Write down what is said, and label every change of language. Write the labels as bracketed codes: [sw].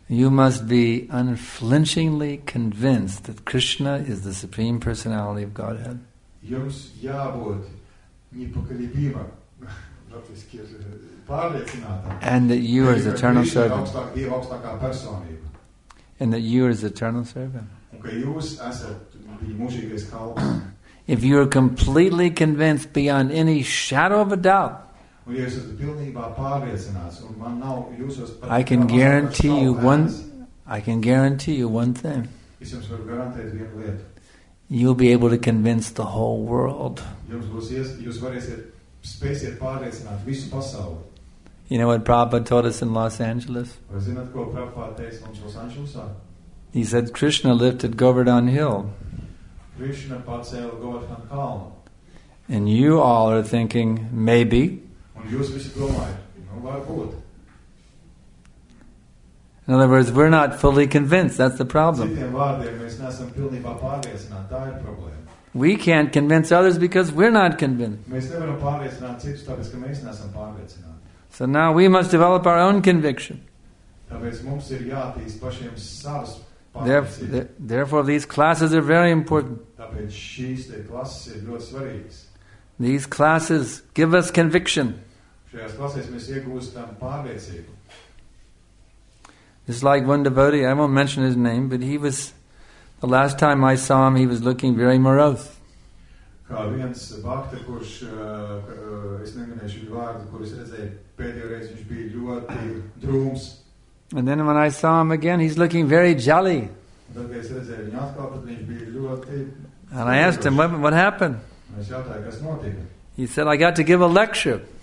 [en] You must be unflinchingly convinced that Krishna is the Supreme Personality of Godhead. [lv] Jums jābūt nepakalībībā, praktiski pārliecinātam. [en] And that you are his eternal servant. [lv] Dieva augstākā personība. [en] And that you are his eternal servant. [lv] Un ka jūs esat viņa mūžīgais kalps. [en] If you are completely convinced beyond any shadow of a doubt, [lv] un ja esat pilnībā pārliecināts, un man nav jūsos pat... [en] I can guarantee you one thing. [lv] Es jums varu garantēt vienu lietu. [en] You'll be able to convince the whole world. [lv] Jūs varēsiet spēsiet pārliecināt visu pasauli. [en] You know what Prabhupada taught us in Los Angeles? [lv] Vai zināt, ko Prabhupada teica mums Los Angelesā? [en] He said, Krishna lifted Govardhan Hill. [lv] Krishna pacēla Govardhan kalnu. [en] And you all are thinking, maybe. [lv] Un jūs visi domājat, nu varbūt. [en] In other words, we're not fully convinced. That's the problem. [lv] Citiem vārdiem, mēs neesam pilnībā pārliecināti. Tā ir problēma. [en] We can't convince others because we're not convinced. [lv] Mēs nevaram pārliecināt citus, tāpēc, ka mēs neesam pārliecināti. [en] So now we must develop our own conviction. [lv] Tāpēc mums ir jātīst pašiem savas pārliecības. [en] Therefore, these classes are very important. [lv] Tāpēc šīs te klases ir ļoti svarīgas. [en] These classes give us conviction. [lv] Šajās klasēs mēs iegūstam pārliecību. [en] It's like one devotee, I won't mention his name, but he was, the last time I saw him, he was looking very morose. [lv] Kā viens bakta, kurš, es neminēšu viņu vārdu, kurš redzēju pēdējo reizi, viņš bija ļoti drūms. [en] And then when I saw him again, he's looking very jolly. [lv] Tad, es redzēju viņu atkal, tad viņš bija ļoti... [en] And I asked him, what happened? [lv] Es jautāju, kas notika? [en] He said, I got to give a lecture.